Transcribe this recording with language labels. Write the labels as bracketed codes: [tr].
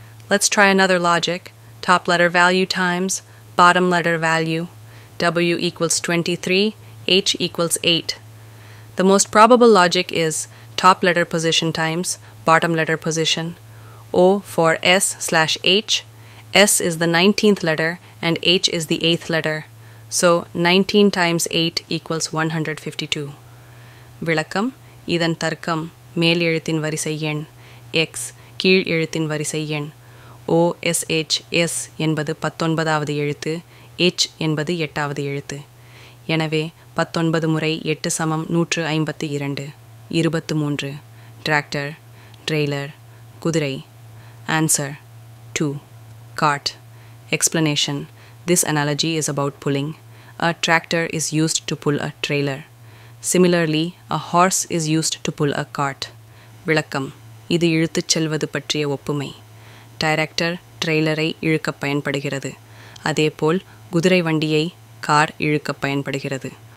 [en] Let's try another logic. Top letter value times, bottom letter value, W equals 23, H equals 8. The most probable logic is top letter position times, bottom letter position, O for S slash H, S is the 19th letter and H is the 8th letter. So 19 times 8 equals 152. [ta] விளக்கம் இதன் தர்க்கம் மேல் எழுத்தின் வரிசை எண் X கீழ் எழுத்தின் வரிசை எண் O S H S என்பது 19வது எழுத்து H என்பது 8வது எழுத்து. எனவே 19 முறை 8 சமம் 152. [en] 23 tractor trailer குதிரை answer 2 Cart. Explanation. This analogy is about pulling. A tractor is used to pull a trailer. Similarly, a horse is used to pull a cart. [ta] விளக்கம் இது இழுத்துச் செல்வது பற்றிய ஒப்புமை. டைரக்டர் ட்ரெய்லரை இழுக்க பயன்படுகிறது. அதேபோல் குதிரை வண்டியை கார் இழுக்க பயன்படுகிறது.